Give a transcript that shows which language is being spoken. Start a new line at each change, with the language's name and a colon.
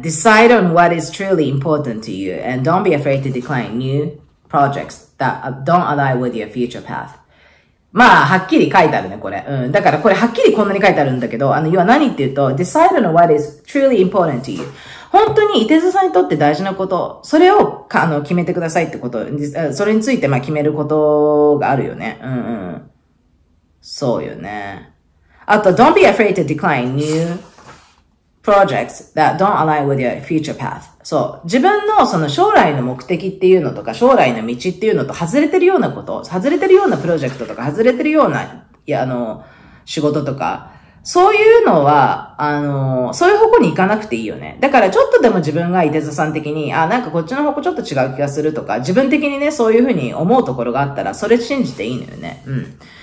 English: Decide on what is truly important to you and don't be afraid to decline new projects that don't align with your future path.
Japanese: まあ、はっきり書いてあるね、これ。うん。だからこれはっきりこんなに書いてあるんだけど、要は何っていうと、
English: Decide on what is truly important to you。
Japanese: 本当に、伊手座さんにとって大事なこと、それを、決めてくださいってこと、それについて、まあ、決めることがあるよね。うんうん。そうよね。
English: あと、don't be afraid to decline new projects that don't align with your future path.
Japanese: そう。自分の、その、将来の目的っていうのとか、将来の道っていうのと外れてるようなこと、外れてるようなプロジェクトとか、外れてるような、仕事とか、そういうのは、そういう方向に行かなくていいよね。だからちょっとでも自分が伊手座さん的に、あ、なんかこっちの方向ちょっと違う気がするとか、自分的にね、そういうふうに思うところがあったら、それ信じていいのよね。うん。